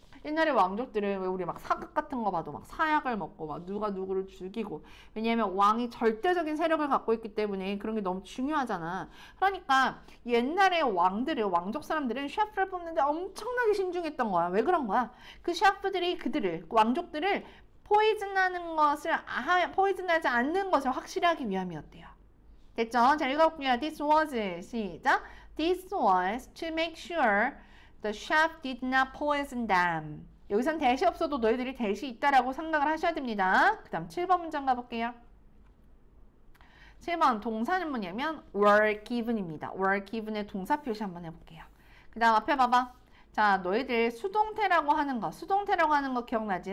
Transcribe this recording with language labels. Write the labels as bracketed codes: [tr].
[ko] 옛날에 왕족들은 왜 우리 막 사극 같은 거 봐도 막 사약을 먹고 막 누가 누구를 죽이고, 왜냐하면 왕이 절대적인 세력을 갖고 있기 때문에 그런 게 너무 중요하잖아. 그러니까 옛날에 왕들을 왕족 사람들은 셰프를 뽑는데 엄청나게 신중했던 거야. 왜 그런 거야? 그 셰프들이 그들을 왕족들을 포이즌하는 것을 포이즌하지 않는 것을 확실하게 위함이었대요. 됐죠? 자, 읽어볼게요. [en] This was [ko] 시작. [en] This was to make sure the chef did not poison them. [ko] 여기선 대시 없어도 너희들이 대시 있다라고 생각을 하셔야 됩니다. 그 다음 7번 문장 가볼게요. 7번 동사는 뭐냐면 were given입니다. were given의 동사 표시 한번 해볼게요. 그 다음 앞에 봐봐. 자, 너희들 수동태라고 하는 거, 수동태라고 하는 거 기억나지?